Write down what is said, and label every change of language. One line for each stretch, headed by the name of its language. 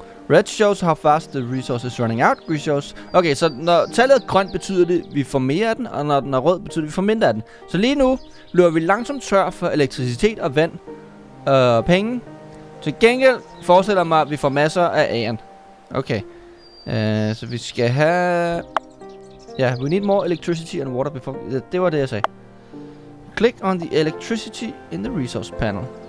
English: Red shows how fast the resource is running out. Green shows.
Danish: Okay, så når tallet er grønt, betyder det, vi får mere af den. Og når den er rød, betyder det, vi får mindre af den. Så lige nu løber vi langsomt tør for elektricitet og vand og penge. Til gengæld forestiller mig, at vi får masser af æren. Okay. Så vi skal have...
English: Ja, yeah, we need more electricity and water before...
Danish: Det var det, jeg sagde.
English: Click on the electricity in the resource panel.